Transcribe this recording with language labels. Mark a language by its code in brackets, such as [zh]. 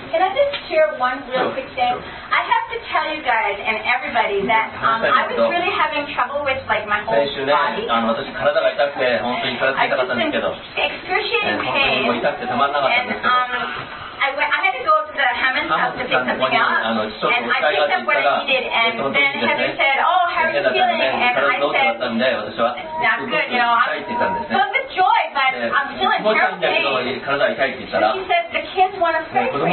[en] Can I just share one real quick thing? I have to tell you guys and everybody that I was really having trouble with like my whole body. [ja] 先週ね、私体が痛くて本当に体痛かったんですけど。 [en] I've been excruciating pain. [ja] 本当に痛くてたまんなかったんですけど。 [en] I had to go to the Hammond's house to pick something up, and I picked up what I needed, and then Heather said, oh, how are you feeling? And I said, not good, you know. I'm just joy, but I'm feeling terrible pain. And she said, the kids want to pray for you.